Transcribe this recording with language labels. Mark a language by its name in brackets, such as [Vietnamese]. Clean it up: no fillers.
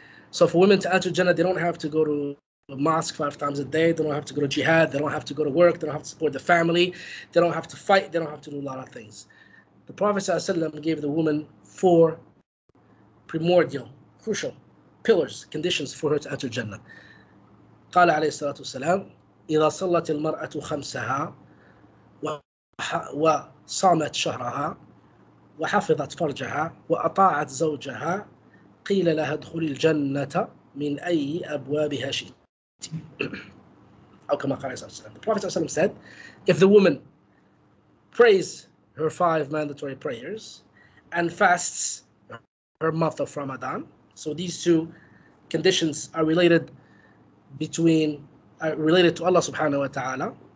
[English] So for women to enter Jannah, they don't have to go to a mosque five times a day, they don't have to go to jihad, they don't have to go to work, they don't have to support the family, they don't have to fight, they don't have to do a lot of things. The Prophet ﷺ gave the woman four primordial, crucial pillars, conditions for her to enter Jannah. [Arabic] قال عليه الصلاة والسلام إذا صلت المرأة خمسها وصامت شهرها وحفظت فرجها وأطاعت زوجها قيل لها ادخلي الجنة من أي أبوابها شئت. أو كما قال عليه الصلاة والسلام. [English] The Prophet ﷺ said, if the woman prays her five mandatory prayers and fasts her month of Ramadan. So these two conditions are related to Allah subhanahu wa ta'ala.